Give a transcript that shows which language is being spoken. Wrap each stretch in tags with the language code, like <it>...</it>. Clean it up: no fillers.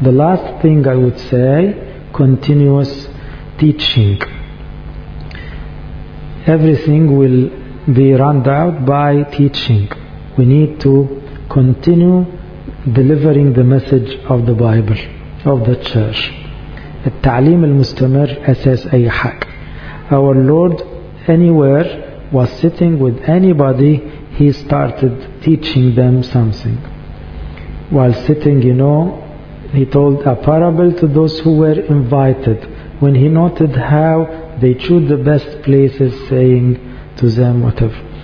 <en>The last thing I would say, continuous teaching. Everything will be run out by teaching. We need to continue delivering the message of the Bible, of the church.</en> <ar>التعليم المستمر أساس أي حاجة.</ar> <en>Our Lord anywhere was sitting with anybody, he started teaching them something. While sitting, you know, he told a parable to those who were invited. When he noted how they choose the best places, saying to them whatever.</en>